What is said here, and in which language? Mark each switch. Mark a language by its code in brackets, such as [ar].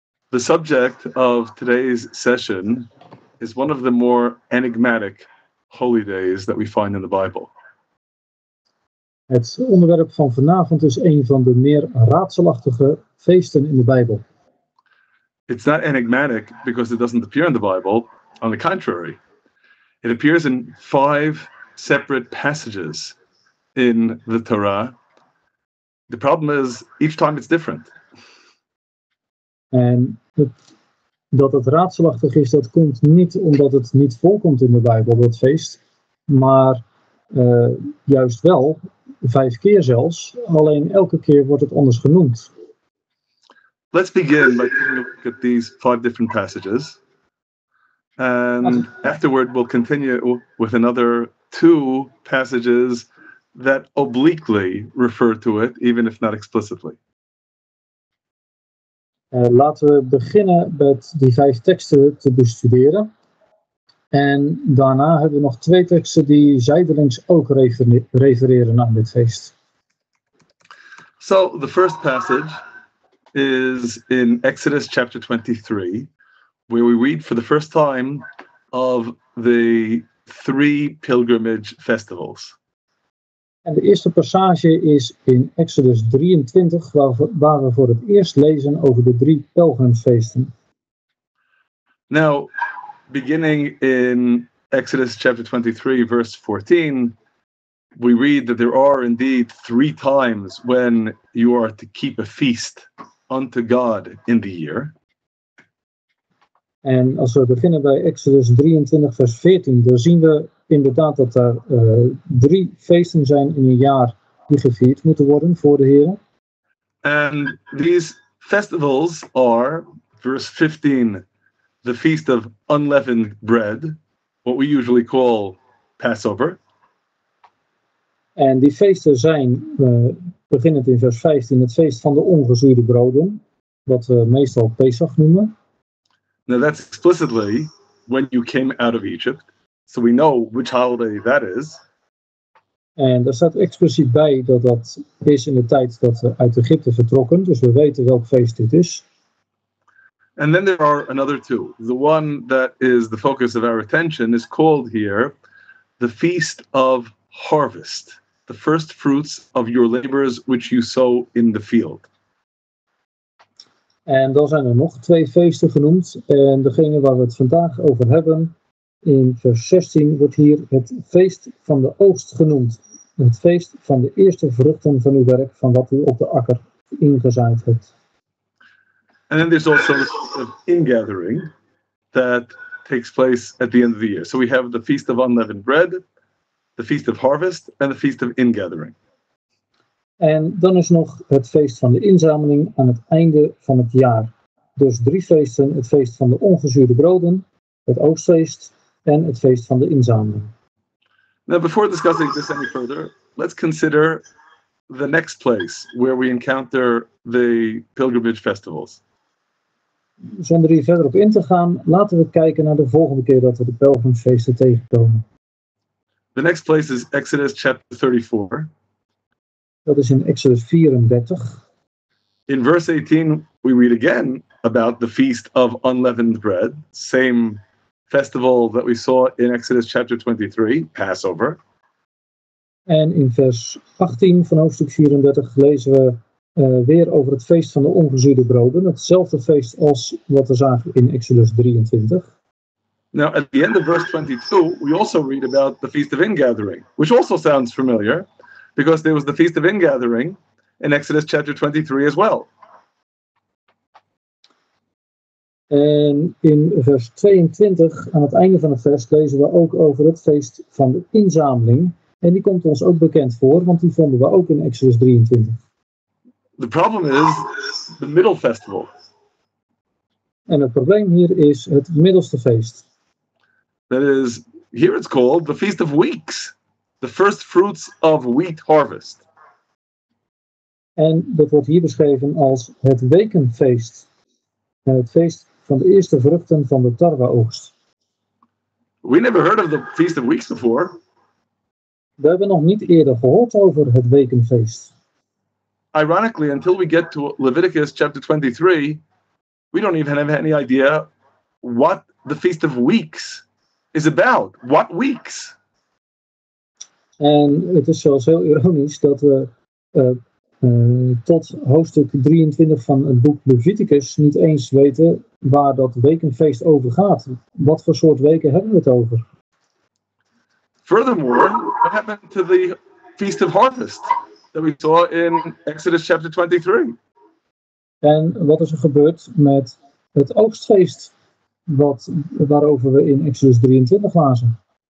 [en] The subject of today's session is one of the more enigmatic holy days that we find in the Bible. [nl] Het onderwerp van vanavond is een van de meer raadselachtige feesten in de Bijbel. [en] It's not enigmatic because it doesn't appear in the Bible. On the contrary, it appears in 5 separate passages in the Torah. The problem is, each time it's different. [nl] En dat het raadselachtig is, dat komt niet omdat het niet voorkomt in de Bijbel, dat feest. Maar juist wel, 5 keer zelfs. Alleen elke keer wordt het anders genoemd. [en] Let's begin by taking a look at these 5 different passages. And afterward we'll continue with another 2 passages that obliquely refer to it, even if not explicitly. [nl] Laten we beginnen met die 5 teksten te bestuderen. En daarna hebben we nog 2 teksten die zijdelings ook refereren aan dit feest. [en] So, the first passage is in Exodus chapter 23, where we read for the first time of the 3 pilgrimage festivals. [nl] En de eerste passage is in Exodus 23, waar we voor het eerst lezen over de 3 pelgrimsfeesten. [en] Now, beginning in Exodus chapter 23, verse 14, we read that there are indeed 3 times when you are to keep a feast unto God in the year. [nl] En als we beginnen bij Exodus 23, vers 14, dan zien we inderdaad dat er 3 feesten zijn in een jaar die gevierd moeten worden voor de Heer. [en] And these festivals are, verse 15, the feast of unleavened bread, what we usually call Passover. [nl] En die feesten zijn, beginnend in vers 15, het feest van de ongezuurde broden, wat we meestal Pesach noemen. [en] Now that's explicitly when you came out of Egypt. So we know which holiday that is. [nl] En daar staat expliciet bij dat dat is in de tijd dat we uit Egypte vertrokken. Dus we weten welk feest dit is. [en] And then there are another 2. The one that is the focus of our attention is called here the Feast of Harvest. The first fruits of your labors which you sow in the field. [nl] En dan zijn er nog 2 feesten genoemd. En degene waar we het vandaag over hebben, in vers 16 wordt hier het feest van de oogst genoemd. Het feest van de eerste vruchten van uw werk, van wat u op de akker ingezaaid hebt. [en] And then there's also the feast of ingathering that takes place at the end of the year. So we have the feast of unleavened bread, the feast of harvest, and the feast of ingathering. [nl] En dan is nog het feest van de inzameling aan het einde van het jaar. Dus 3 feesten, het feest van de ongezuurde broden, het oogstfeest en het feest van de inzameling. [en] Now before discussing this any further, let's consider the next place where we encounter the pilgrimage festivals. [nl] Zonder hier verder op in te gaan, laten we kijken naar de volgende keer dat we de pelgrimsfeesten tegenkomen. [en] The next place is Exodus chapter 34. [nl] Dat is in Exodus 34. [en] In verse 18 we read again about the feast of unleavened bread, same festival that we saw in Exodus chapter 23, Passover. [nl] En in vers 18 van hoofdstuk 34 lezen we weer over het feest van de ongezuurde broden, hetzelfde feest als wat we zagen in Exodus 23. [en] Now at the end of verse 22 we also read about the feast of ingathering, which also sounds familiar because there was the feast of ingathering in Exodus chapter 23 as well. [nl] En in vers 22, aan het einde van het vers, lezen we ook over het feest van de inzameling. En die komt ons ook bekend voor, want die vonden we ook in Exodus 23. [en] The problem is the middle festival. [nl] En het probleem hier is het middelste feest. [en] That is, here it's called the Feast of Weeks, the first fruits of wheat harvest. [nl] En dat wordt hier beschreven als het wekenfeest. Het feest van de eerste vruchten van de tarweoogst. [en] We never heard of the Feast of Weeks before. [nl] We hebben nog niet eerder gehoord over het wekenfeest. [en] Ironically, until we get to Leviticus chapter 23, we don't even have any idea what the Feast of Weeks is about. What weeks? [nl] En het is zelfs heel ironisch dat we tot hoofdstuk 23 van het boek Leviticus niet eens weten waar dat wekenfeest over gaat. Wat voor soort weken hebben we het over? [en] Furthermore, what happened to the Feast of Harvest that we saw in Exodus chapter 23? [nl] En wat is er gebeurd met het oogstfeest waarover we in Exodus 23 lazen?